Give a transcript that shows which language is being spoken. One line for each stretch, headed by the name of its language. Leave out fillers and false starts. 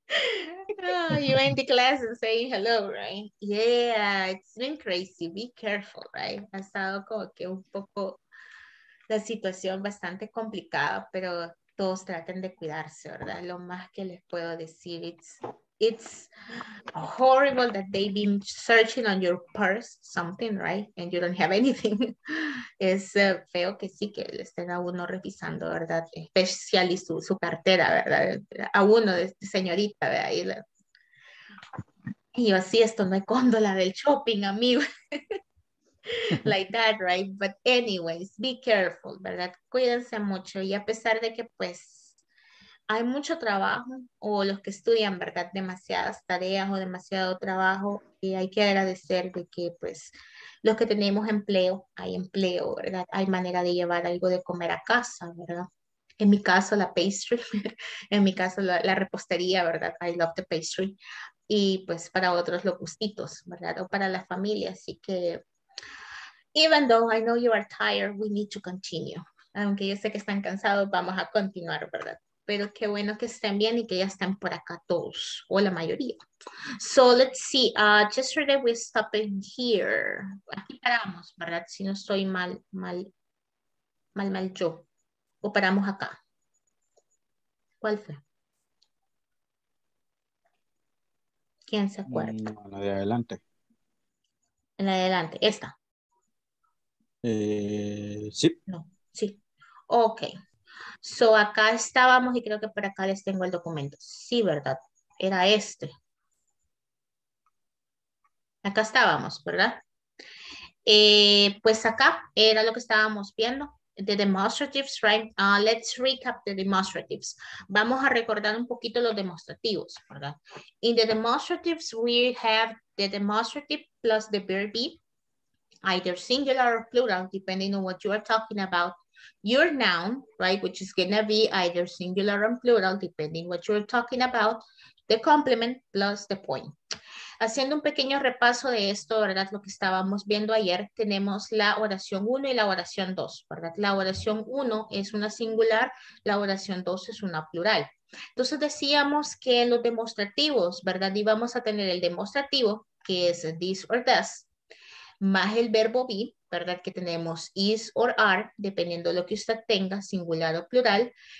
English: Oh, you're in the class and saying hello, right? Yeah, it's been crazy. Be careful, right?
Spanish: Ha estado como que un poco la situación bastante complicada, pero todos traten de cuidarse, ¿verdad? Lo más que les puedo decir,
English: it's horrible that they've been searching on your purse, something, right? And you don't have anything.
Spanish: Es feo que sí, que le estén a uno revisando, ¿verdad? Especial y su cartera, ¿verdad? A uno, de señorita, de ahí. Y yo así, esto no es góndola del shopping, amigo.
English: Like that, right? But anyways, be careful, ¿verdad?
Spanish: Cuídense mucho. Y a pesar de que, pues, hay mucho trabajo, o los que estudian, ¿verdad? Demasiadas tareas o demasiado trabajo, y hay que agradecer de que, pues, los que tenemos empleo, ¿verdad? Hay manera de llevar algo de comer a casa, ¿verdad? En mi caso, la pastry, en mi caso, la repostería, ¿verdad?
English: I love the pastry.
Spanish: Y, pues, para otros, los gustitos, ¿verdad? O para la familia. Así que,
English: even though I know you are tired, we need to continue.
Spanish: Aunque yo sé que están cansados, vamos a continuar, ¿verdad? Pero qué bueno que estén bien y que ya estén por acá todos, o la mayoría.
English: So, let's see. Yesterday we stopped here.
Spanish: Aquí paramos, ¿verdad? Si no estoy mal yo. O paramos acá. ¿Cuál fue? ¿Quién se acuerda? No, la de adelante. En la de adelante, esta. Sí. No, sí. Ok. So, acá estábamos y creo que por acá les tengo el documento. Sí, ¿verdad? Era este. Acá estábamos, ¿verdad? Pues acá era lo que estábamos viendo.
English: The demonstratives, right? Let's recap the demonstratives.
Spanish: Vamos a recordar un poquito los demostrativos, ¿verdad?
English: In the demonstratives, we have the demonstrative plus the verb be, either singular or plural, depending on what you are talking about. Your noun, right, which is going to be either singular or plural, depending what you're talking about, the complement plus the point.
Spanish: Haciendo un pequeño repaso de esto, ¿verdad? Lo que estábamos viendo ayer, tenemos la oración 1 y la oración 2, ¿verdad? La oración 1 es una singular, la oración 2 es una plural. Entonces decíamos que en los demostrativos, ¿verdad? Íbamos a tener el demostrativo, que es this or that, más el verbo be, ¿verdad? Que tenemos is or are, dependiendo de lo que usted tenga, singular o plural,